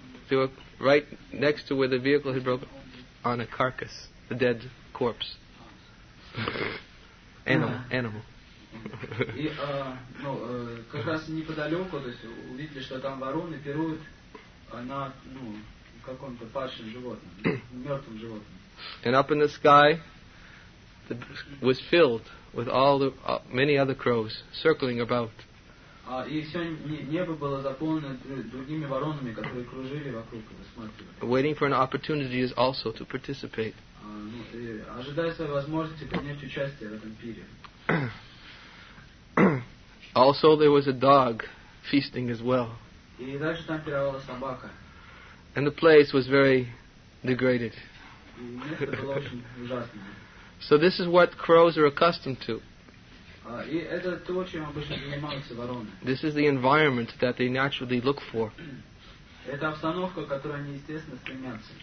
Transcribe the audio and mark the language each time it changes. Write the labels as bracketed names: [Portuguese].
[English] They were right next to where the vehicle had broken on a carcass, the dead corpse. Animal. [Russian] И, как раз неподалеку, то есть увидели, что там вороны пируют на каком-то падшем животном, мертвом животном. [English] And up in the sky, was filled with all the many other crows circling about. [Russian] И все небо было заполнено другими воронами, которые кружили вокруг, смотрели. [English] Waiting for an opportunity is also to participate. [Russian] Ожидается возможность принять участие в этом пире. [English] Also, there was a dog feasting as well. [Russian] И дальше там пировала собака. [English] And the place was very degraded. [Russian] И место было очень ужасное. [English] So this is what crows are accustomed to. [Russian] И это то, чем обычно занимаются вороны. [English] This is the environment that they naturally look for. [Russian] Это обстановка, к которой они естественно стремятся.